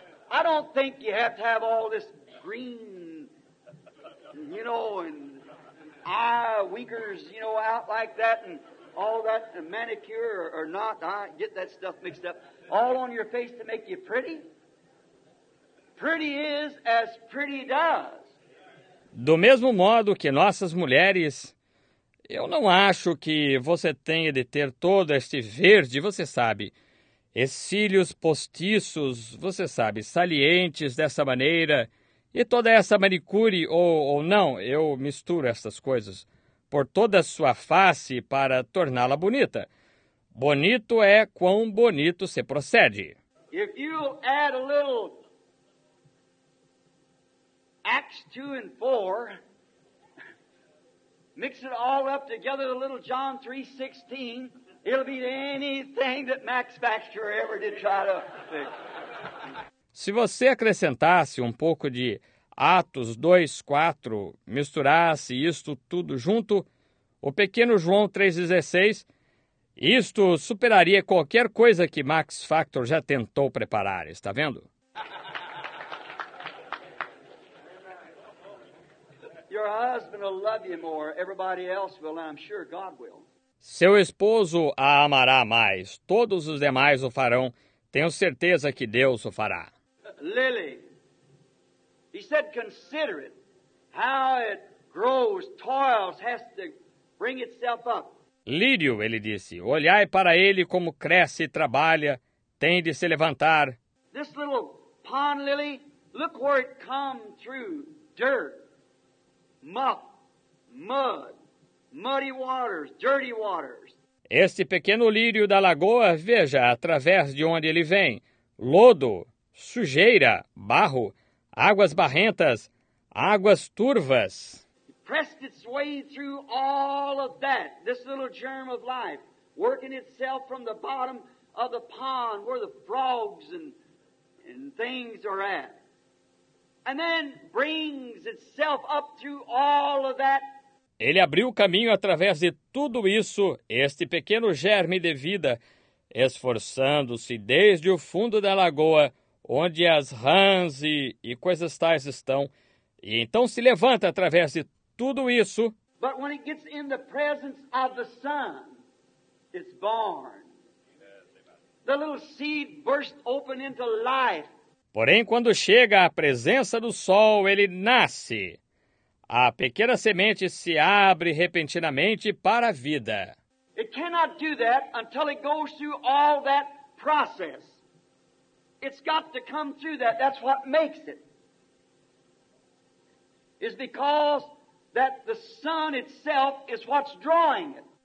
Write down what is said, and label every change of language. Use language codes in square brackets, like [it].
[en] I don't think you have to have all this green, you know, and eye winkers, you know, out like that, and all that, and manicure or not, I get that stuff mixed up, all on your face to make you pretty. Pretty is as pretty does. [pt] Do mesmo modo que nossas mulheres, eu não acho que você tenha de ter todo este verde, você sabe, esses cílios postiços, você sabe, salientes dessa maneira, e toda essa manicure, ou não, eu misturo essas coisas, por toda a sua face para torná-la bonita. Bonito é quão bonito se procede. [en] If you add a little Acts 2 and 4, mix it all up together, a little John 3:16, it'll be anything that Max Baxter ever did try to fix. [pt] Se você acrescentasse um pouco de Atos 2:4, misturasse isto tudo junto, o pequeno João 3:16, isto superaria qualquer coisa que Max Factor já tentou preparar, está vendo? [en] Your husband will love you more, everybody else will, and I'm sure God will. [pt] Seu esposo a amará mais, todos os demais o farão, tenho certeza que Deus o fará. [en] Lily. He said, consider it, how it grows, toils, has to bring itself up. [pt] Lírio, ele disse, olhai para ele como cresce e trabalha, tem de se levantar. [en] This little pond lily, look where it come through, dirt, muck, mud, Muddy waters, dirty waters. [pt] Este pequeno lírio da lagoa, veja, através de onde ele vem. Lodo, sujeira, barro, águas barrentas, águas turvas. [en] It pressed its way through all of that, this little germ of life, working itself from the bottom of the pond where the frogs and things are at. And then brings itself up through all of that. [pt] Ele abriu caminho através de tudo isso, este pequeno germe de vida, esforçando-se desde o fundo da lagoa, onde as rãs e coisas tais estão, e então se levanta através de tudo isso. [en] But when it gets in the presence of the sun, it's born. The little seed burst open into life. [pt] Porém, quando chega à presença do sol, ele nasce. A pequena semente se abre repentinamente para a vida. [en] It cannot do that until it goes through all that process. It's got to come through that. That's what makes it. It's because that the sun itself is what's drawing it.